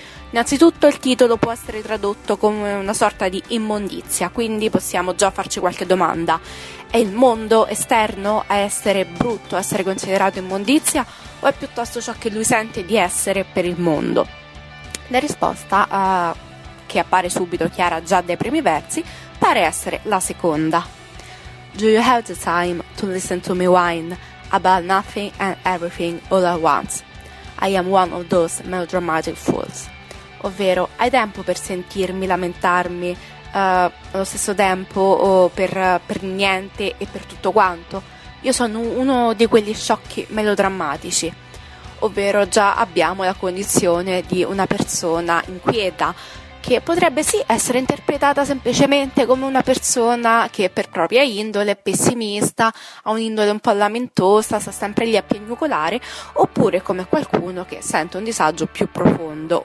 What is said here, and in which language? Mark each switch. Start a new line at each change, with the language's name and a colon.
Italian: Innanzitutto il titolo può essere tradotto come una sorta di immondizia, quindi possiamo già farci qualche domanda. È il mondo esterno a essere brutto, a essere considerato immondizia, o è piuttosto ciò che lui sente di essere per il mondo? La risposta, che appare subito chiara già dai primi versi, pare essere la seconda.
English: Do you have the time to listen to me whine about nothing and everything all at once? I am one of those melodramatic fools.
Italian: Ovvero, hai tempo per sentirmi lamentarmi allo stesso tempo o per niente e per tutto quanto? Io sono uno di quegli sciocchi melodrammatici. Ovvero, già abbiamo la condizione di una persona inquieta, che potrebbe sì essere interpretata semplicemente come una persona che per propria indole è pessimista, ha un'indole un po' lamentosa, sta sempre lì a piagnucolare, oppure come qualcuno che sente un disagio più profondo.